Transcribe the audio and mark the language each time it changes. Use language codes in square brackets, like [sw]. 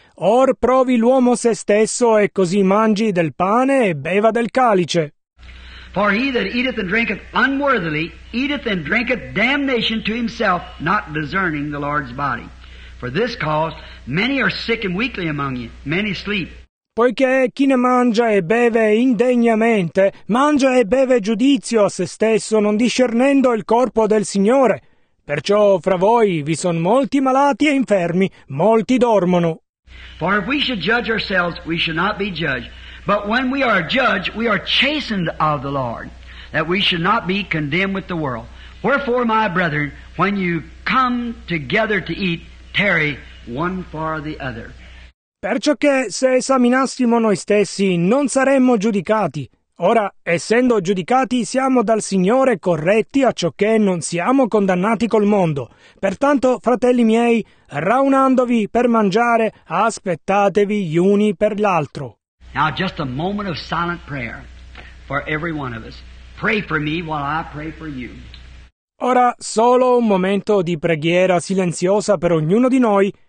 [it] Or provi l'uomo se stesso e così mangi del pane e beva del calice. [en] For he that eateth and drinketh unworthily, eateth and drinketh damnation to himself, not discerning the Lord's body. For this cause many are sick and weakly among you, many sleep. [it] Poiché chi ne mangia e beve indegnamente, mangia e beve giudizio a se stesso, non discernendo il corpo del Signore. Perciò fra voi vi sono molti malati e infermi, molti dormono. [en] For if we should judge ourselves, we should not be judged. But when we are judged, we are chastened of the Lord, that we should not be condemned with the world. Wherefore, my brethren, when you come together to eat, tarry one for the other. [it] Perciò che se esaminassimo noi stessi non saremmo giudicati. Ora, essendo giudicati, siamo dal Signore corretti a ciò che non siamo condannati col mondo. Pertanto, fratelli miei, raunandovi per mangiare, aspettatevi gli uni per l'altro. [en] Now just a moment of silent prayer for every one of us. Pray for me while I pray for you. [it] Ora solo un momento di preghiera silenziosa per ognuno di noi.